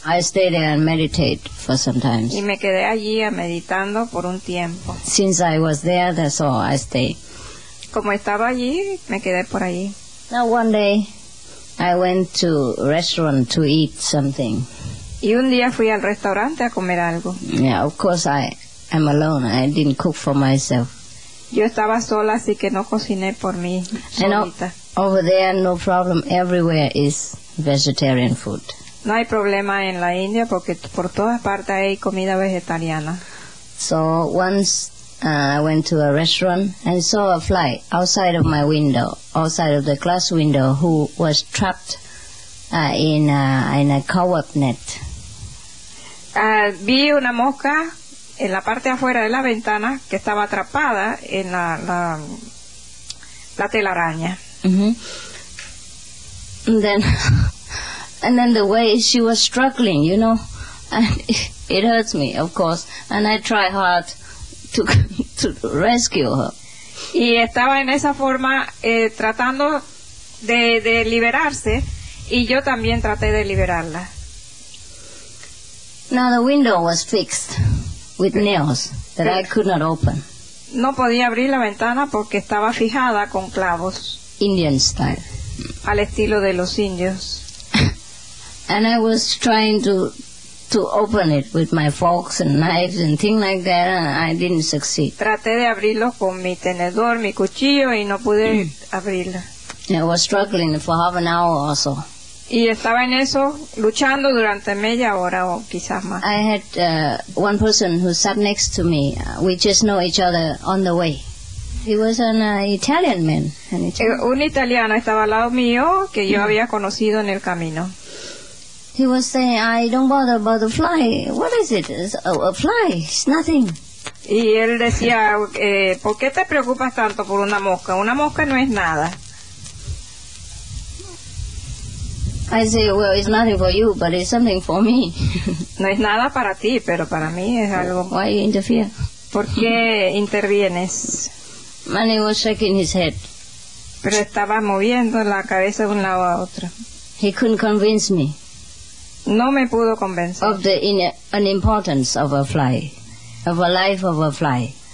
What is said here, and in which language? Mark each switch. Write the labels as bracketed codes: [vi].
[en] I stayed there and meditate for some time. [es] Y me quedé allí meditando por un tiempo. [en] Since I was there, that's all I stayed. [es] Como estaba allí, me quedé por allí. [en] Now one day, I went to a restaurant to eat something. [es] Y un día fui al restaurante a comer algo. [en] Yeah, of course I'm alone. I didn't cook for myself. [es] Yo estaba sola, así que no cociné por mí solita. [en] Over there, no problem. Everywhere is vegetarian food. [es] No hay problema en la India porque por todas partes hay comida vegetariana. [en] So once I went to a restaurant and saw a fly outside of my window, outside of the glass window, who was trapped in a cobweb net. [es] Vi una mosca en la parte afuera de la ventana que estaba atrapada en la telaraña. Mm-hmm. [en] And then the way she was struggling, you know, and it hurts me, of course, and I try hard to rescue her. [es] Y estaba en esa forma tratando de liberarse, y yo también traté de liberarla. [en] Now the window was fixed with nails that I could not open. [es] No podía abrir la ventana porque estaba fijada con clavos. [en] Indian style. [es] Al estilo de los indios. [en] And I was trying to open it with my forks and knives and things like that, and I didn't succeed. [es] Traté de abrirlo con mi tenedor, mi cuchillo, y no pude abrirlo. [en] I was struggling for half an hour or so. [es] Y estaba en eso luchando durante media hora o quizás más. [en] I had one person who sat next to me. We just know each other on the way. He was an Italian man. [es] Un italiano estaba al lado mío que yo había conocido en el camino. [en] He was saying, "I don't bother about the fly. What is it? It's a fly. It's nothing." [es] Y él decía, "¿Por qué te preocupas tanto por una mosca? Una mosca no es nada." [en] I say, "Well, it's nothing for you, but it's something for me." [es] No es nada para ti, pero para mí es algo. [en] Why you interfere? [es] ¿Por qué intervienes? [en] And he was shaking his head. [es] Pero estaba moviendo la cabeza de un lado a otro. [en] He couldn't convince me. [es] No me pudo convencer. [en] Of the an importance of a fly, of a life of a fly.